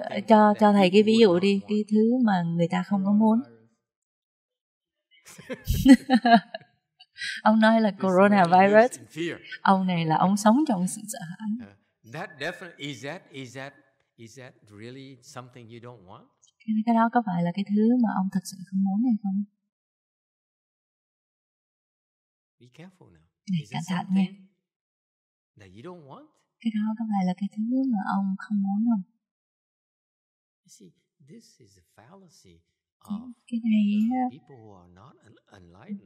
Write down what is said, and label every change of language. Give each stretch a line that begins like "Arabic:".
Vietnamese: Cho thầy cái ví dụ đi, cái thứ mà người ta không có muốn. Ông nói là coronavirus. Ông này là ông sống trong sự sợ hãi.
English: That definitely is that really something you don't want?
Vietnamese: Cái đó có phải là cái thứ mà ông thật sự không muốn hay không?
English: Be careful now.
Vietnamese: Cẩn thận nhé.
English: That you don't want?
Vietnamese: Cái đó có phải là cái thứ mà ông không muốn không?
English: You see, this is a fallacy of people who are not enlightened.